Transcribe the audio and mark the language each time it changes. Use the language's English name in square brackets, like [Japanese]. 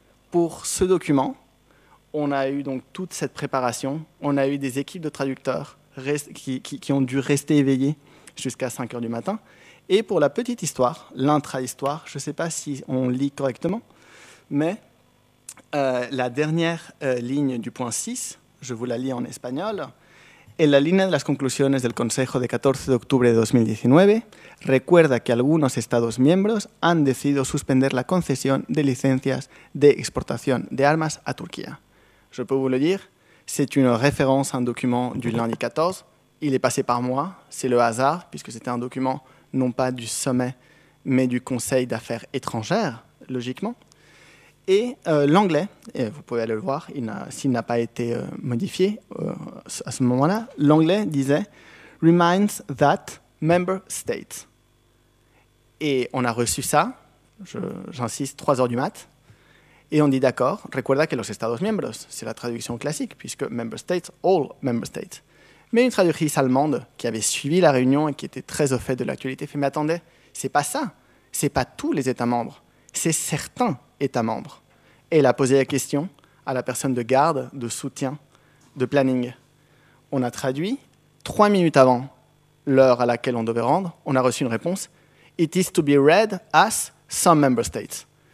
[French] Pour ce document, on a eu donc toute cette préparation, on a eu des équipes de traducteurs qui ont dû rester éveillés jusqu'à 5h du matin. Et pour la petite histoire, l'intra-histoire, je ne sais pas si on lit correctement, mais la dernière ligne du point 6, je vous la lis en espagnol. [Spanish] En la línea de las conclusiones del Consejo de 14 de octubre de 2019, recuerda que algunos Estados miembros han decidido suspender la concesión de licencias de exportación de armas a Turquía. [French] Je peux vous le dire, c'est une référence à un document du lundi 14. Il est passé par moi, c'est le hasard, puisque c'était un document non pas du sommet, mais du Conseil d'affaires étrangères, logiquement. Et l'anglais, et vous pouvez aller le voir, s'il n'a pas été modifié à ce moment-là, l'anglais disait « [English] reminds that member state ». [French] Et on a reçu ça, j'insiste, 3h du mat, et on dit d'accord, « [Spanish] recuerda que los estados miembros [French] », c'est la traduction classique, puisque « member states », « [English] all member states ». [French] Mais une traductrice allemande qui avait suivi la réunion et qui était très au fait de l'actualité fait « mais attendez, c'est pas ça, c'est pas tous les États membres, c'est certains ». État membre. Et elle a posé la question à la personne de garde, de soutien, de planning. On a traduit, 3 minutes avant l'heure à laquelle on devait rendre, on a reçu une réponse. [English] It is to be read as some member states.